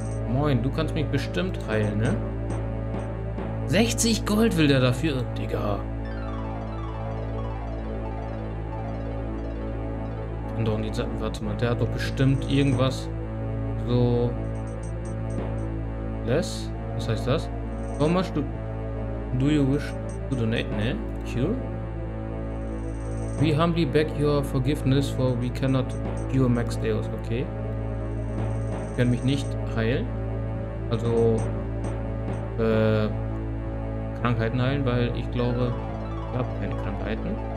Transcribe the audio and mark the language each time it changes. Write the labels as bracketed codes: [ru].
[de] Moin, du kannst mich bestimmt heilen, ne? 60 Gold will der dafür, Digga. Warte mal, der hat doch bestimmt irgendwas so. Less? Was heißt das? [en] How much do you wish to donate, ne? Cure? We humbly beg your forgiveness for we cannot cure Max Deus, okay? [de] Ich kann mich nicht heilen. Also, Krankheiten heilen, weil ich glaube, ich habe keine Krankheiten.